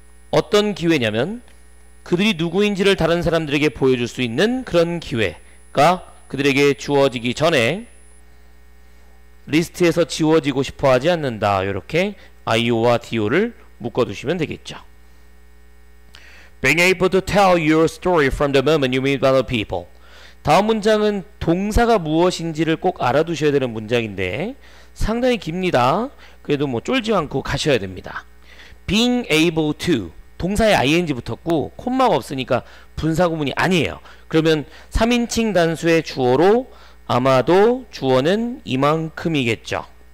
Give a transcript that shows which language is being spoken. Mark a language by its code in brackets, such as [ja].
[ko] 어떤 기회냐면 그들이 누구인지를 다른 사람들에게 보여줄 수 있는 그런 기회가 그들에게 주어지기 전에 리스트에서 지워지고 싶어 하지 않는다. 이렇게 IO와 DO를 묶어두시면 되겠죠. [en] Being able to tell your story from the moment you meet other people. [ko] 다음 문장은 동사가 무엇인지를 꼭 알아두셔야 되는 문장인데 상당히 깁니다. 그래도 뭐 쫄지 않고 가셔야 됩니다. [en] Being able to, [ko] 동사에 ing 붙었고 콤마가 없으니까 분사구문이 아니에요. 그러면 3인칭 단수의 주어로 아마도 주어는 이만큼이겠죠.